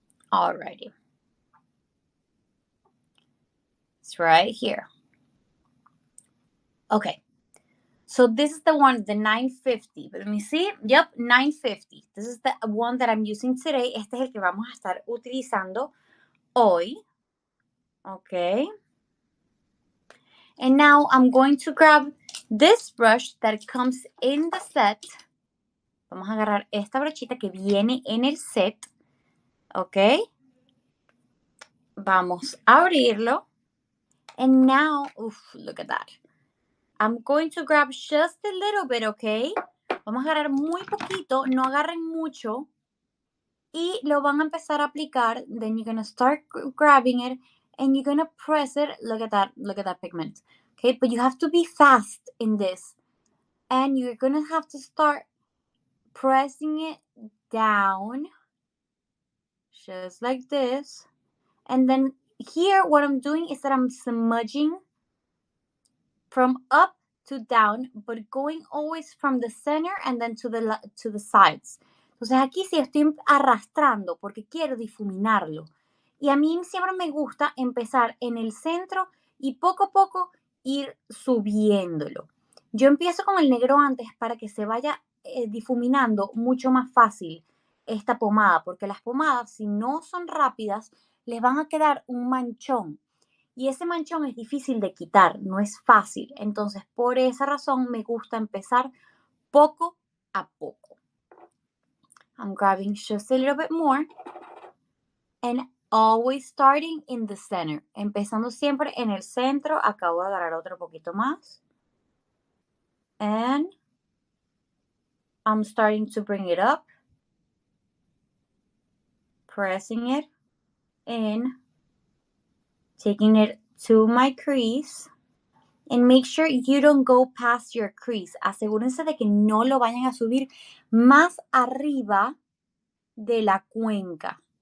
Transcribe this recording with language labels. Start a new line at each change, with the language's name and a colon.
English: Alrighty. It's right here. Okay. So this is the one, the 950. Let me see. Yep, 950. This is the one that I'm using today.
Spanish: Este es el que vamos a estar utilizando hoy.
English: Okay. And now I'm going to grab this brush that comes in the set.
Spanish: Vamos a agarrar esta brochita que viene en el set. Okay. Vamos a abrirlo.
English: And now, oof, look at that. I'm going to grab just a little bit, okay?
Spanish: Vamos a agarrar muy poquito, no agarren mucho. Y lo van a empezar a aplicar.
English: Then you're going to start grabbing it and you're going to press it. Look at that pigment. Okay, but you have to be fast in this. And you're going to have to start pressing it down. Just like this. And then here, what I'm doing is that I'm smudging from up to down, but going always from the center and then to the sides.
Spanish: Entonces aquí sí estoy arrastrando porque quiero difuminarlo. Y a mí siempre me gusta empezar en el centro y poco a poco ir subiéndolo. Yo empiezo con el negro antes para que se vaya difuminando mucho más fácil esta pomada, porque las pomadas, si no son rápidas, les van a quedar un manchón. Y ese manchón es difícil de quitar, no es fácil. Entonces, por esa razón, me gusta empezar poco a poco.
English: I'm grabbing just a little bit more. And always starting in the center.
Spanish: Empezando siempre en el centro. Acabo de agarrar otro poquito más.
English: And I'm starting to bring it up. Pressing it in. Taking it to my crease. And make sure you don't go past your crease.
Spanish: Asegúrense de que no lo vayan a subir más arriba de la cuenca.